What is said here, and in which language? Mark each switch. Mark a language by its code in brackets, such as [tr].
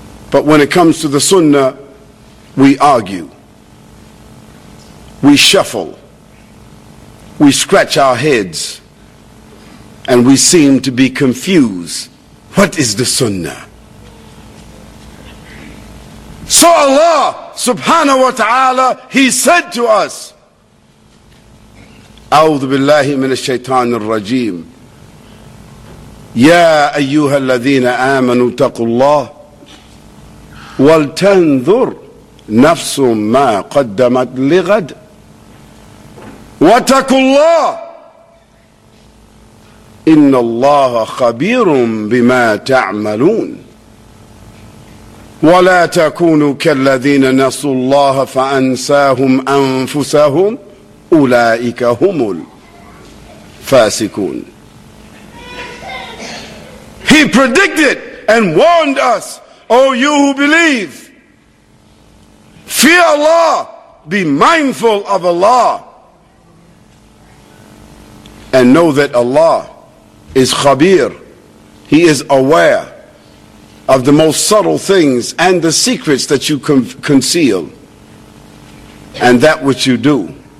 [en] But when it comes to the sunnah, we argue. We shuffle. We scratch our heads. And we seem to be confused. What is the sunnah? So Allah subhanahu wa ta'ala, He said to us, [ar] أعوذ بالله من الشيطان الرجيم يا أيها الذين آمنوا اتقوا الله ولتنظر نفس ما قدمت لغد واتقوا الله إن الله خبير بما تعملون ولا تكونوا كالذين نسوا الله فأنساهم أنفسهم أولئك هم الفاسقون. [en] He predicted and warned us, O you who believe, fear Allah, be mindful of Allah, and know that Allah is khabir, He is aware of the most subtle things and the secrets that you conceal and that which you do.